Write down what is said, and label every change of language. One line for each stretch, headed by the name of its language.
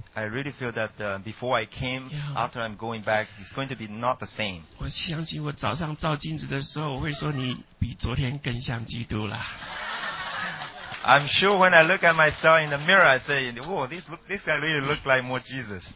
English: I really feel that before I came, yeah. after I'm going back, it's going to be not the same.
Chinese: 我相信我早上照镜子的时候，我会说你比昨天更像基督了。
English: I'm sure when I look at myself in the mirror, I say, "Whoa, this guy really looks like more Jesus."